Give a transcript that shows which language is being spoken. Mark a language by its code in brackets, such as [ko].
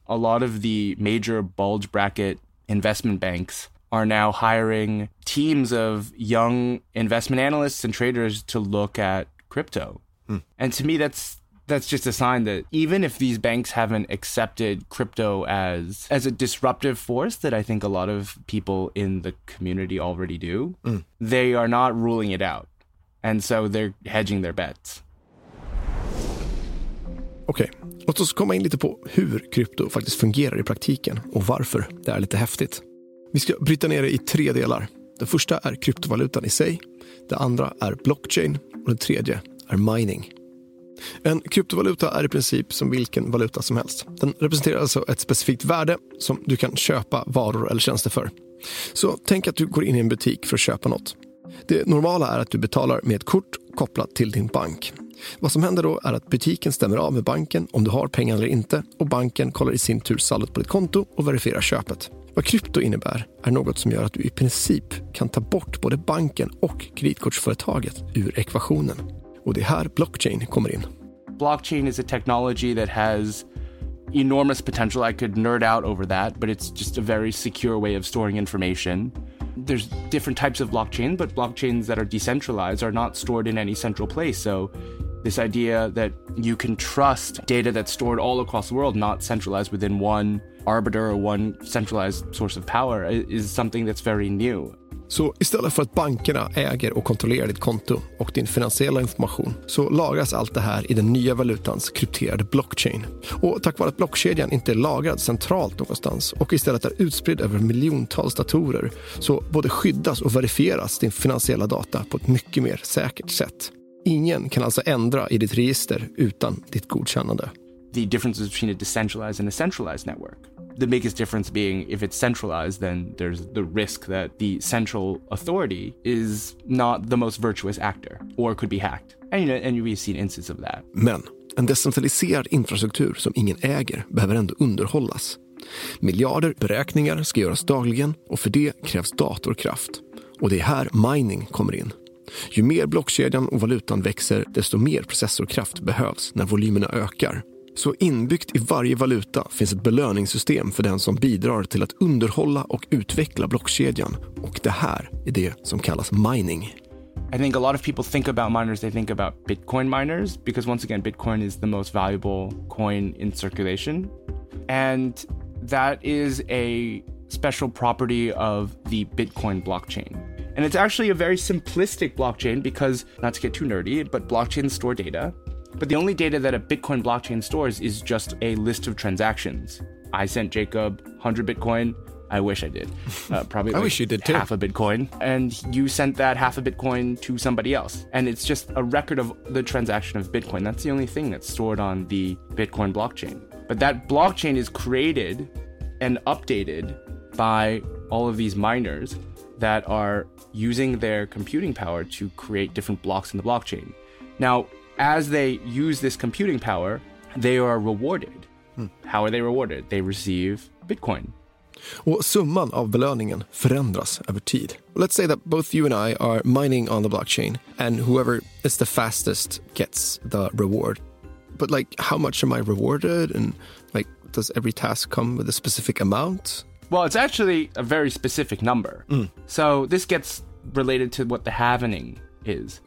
[en] A lot of the major bulge bracket investment banks are now hiring teams of young investment analysts and traders to look at crypto. And to me, that's just a sign that even if these banks haven't accepted crypto as a disruptive force that I think a lot of people in the community already do, they are not ruling it out. And so they're hedging their bets. [sv] Okej, låt oss komma in lite på hur krypto faktiskt fungerar i praktiken och varför det är lite häftigt. Vi ska bryta ner det i tre delar. Det första är kryptovalutan i sig, det andra är blockchain och det tredje är mining. En kryptovaluta är i princip som vilken valuta som helst. Den representerar alltså ett specifikt värde som du kan köpa varor eller tjänster för. Så tänk att du går in i en butik för att köpa något. Det normala är att du betalar med ett kort kopplat till din bank. Vad som händer då är att butiken stämmer av med banken om du har pengar eller inte, och banken kollar i sin tur saldot på ditt konto och verifierar köpet. Vad krypto innebär är något som gör att du i princip kan ta bort både banken och kreditkortsföretaget ur ekvationen. Och det är här blockchain kommer in. [en] Blockchain is a technology that has enormous potential. I could nerd out over that, but it's just a very secure way of storing information. There's different types of blockchain, but blockchains that are decentralized are not stored in any central place. So this idea that you can trust data that's stored all across the world, not centralized within one arbiter or one centralized source of power, is something that's very new. [sv] Så istället för att bankerna äger och kontrollerar ditt konto och din finansiella information, så lagras allt det här i den nya valutans krypterade blockchain. Och tack vare att blockkedjan inte är lagrad centralt någonstans och istället är utspridd över miljontals datorer, så både skyddas och verifieras din finansiella data på ett mycket mer säkert sätt. Ingen kan alltså ändra i ditt register utan ditt godkännande. [en] The difference between a decentralized and a centralized network. The biggest difference being if it's centralized, then there's the risk that the central authority is not the most virtuous actor or could be hacked. And you know, and we've seen instances of that. [sv] Men en decentraliserad infrastruktur som ingen äger behöver ändå underhållas. Miljarder beräkningar ska göras dagligen och för det krävs datorkraft. Och det är här mining kommer in. Ju mer blockkedjan och valutan växer, desto mer processorkraft behövs när volymerna ökar. Så inbyggt i varje valuta finns ett belöningssystem för den som bidrar till att underhålla och utveckla blockkedjan. Och det här är det som kallas mining. [en] I think a lot of people think about miners, they think about Bitcoin miners, because once again, Bitcoin is the most valuable coin in circulation. And that is a special property of the Bitcoin blockchain. And it's actually a very simplistic blockchain because, not to get too nerdy, but blockchains store data. But the only data that a Bitcoin blockchain stores is just a list of transactions. I sent Jacob 100 Bitcoin. I wish I did. Probably I like wish you did too. Half a Bitcoin. And you sent that half a Bitcoin to somebody else. And it's just a record of the transaction of Bitcoin. That's the only thing that's stored on the Bitcoin blockchain. But that blockchain is created and updated by all of these miners that are using their computing power to create different blocks in the blockchain. Now, as they use this computing power, they are rewarded. Mm. How are they rewarded? They receive Bitcoin. [sv] Och summan av belöningen förändras över tid. [en] Let's say that both you and I are mining on the blockchain, and whoever is the fastest gets the reward. But like, how much am I rewarded? And like, does every task come with a specific amount? Well, it's actually a very specific number. Mm. So this gets related to what the halvening is.